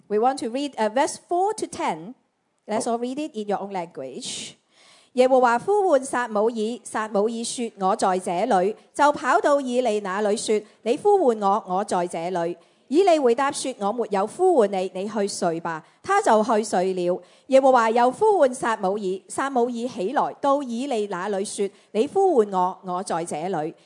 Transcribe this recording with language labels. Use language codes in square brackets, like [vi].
[en] We want to read verse 4 to 10. Let's all read it in your own language. [zh] 耶和华呼唤撒母耳，撒母耳说：我在这里。就跑到以利那里说：你呼唤我，我在这里。以利回答说：我没有呼唤你，你去睡吧。他就去睡了。耶和华又呼唤撒母耳，撒母耳起来到以利那里说：你呼唤我，我在这里。